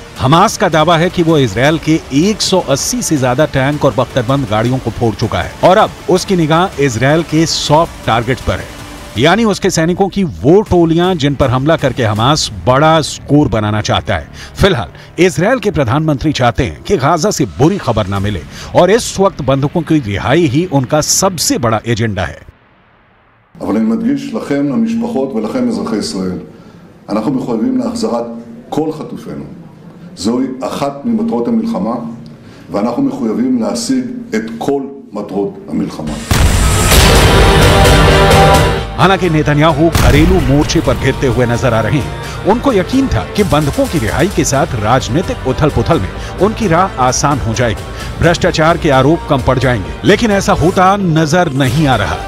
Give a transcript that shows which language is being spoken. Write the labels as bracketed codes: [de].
[hi] Hamas का दावा है कि वो इसराइल के 180 से ज्यादा टैंक और बख्तरबंद गाड़ियों को फोड़ चुका है और अब उसकी निगाह इसराइल के 100 टारगेट पर है, यानी उसके सैनिकों की वो टोलियां जिन पर हमला करके हमास बड़ा स्कोर बनाना चाहता है। फिलहाल इसराइल के प्रधानमंत्री चाहते हैं कि गाजा से बुरी खबर ना मिले और इस वक्त बंधकों की रिहाई ही उनका सबसे बड़ा एजेंडा है। [he] אבל אני מדגיש לכם, המשפחות, ולכם, אזרחי ישראל, אנחנו מחויבים להחזרת כל חטופינו. זוהי אחת ממטרות המלחמה, ואנחנו מחויבים להשיג את כל מטרות המלחמה. [hi] हालांकि नेतन्याहू घरेलू मोर्चे पर घिरते हुए नजर आ रहे हैं। उनको यकीन था कि बंधकों की रिहाई के साथ राजनीतिक उथल पुथल में उनकी राह आसान हो जाएगी, भ्रष्टाचार के आरोप कम पड़ जाएंगे, लेकिन ऐसा होता नजर नहीं आ रहा।